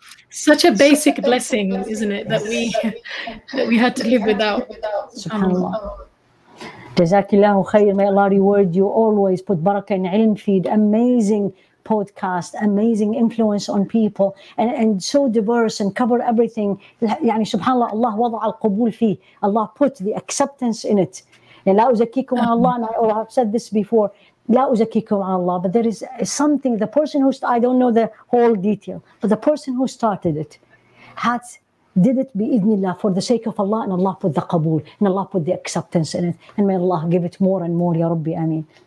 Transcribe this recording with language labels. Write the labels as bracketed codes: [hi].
[en] Such a basic blessing, isn't it, that we had to live without. Subhanallah. Jazakillahu khairan. May Allah reward you always. Put barakah and ilm feed. Amazing podcast, amazing influence on people, and so diverse and cover everything. [ar] يعني سبحان الله الله وضع القبول فيه. [en] Allah put the acceptance in it. [ar] لا أزكيكم على الله. [en] I've said this before. [ar] لا أزكيكم على الله. [en] But there is something. The person who I don't know the whole detail, but the person who started it did it [ar] بإذن الله [en] for the sake of Allah, and Allah put the قبول and Allah put the acceptance in it, and may Allah give it more and more. [ar] يا ربي آمين.